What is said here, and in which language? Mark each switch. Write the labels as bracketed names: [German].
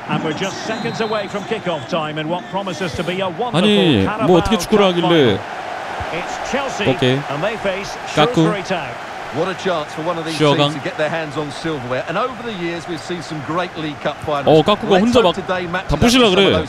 [Korean] 아니 뭐 어떻게 축구를 하길래. 오케이. 까꾸. [English] What a chance for one of these teams to get their hands on silverware. And over the years, we've seen some great League Cup finals. [Korean] 어, 까꾸가 혼자 막 다 부시라 그래.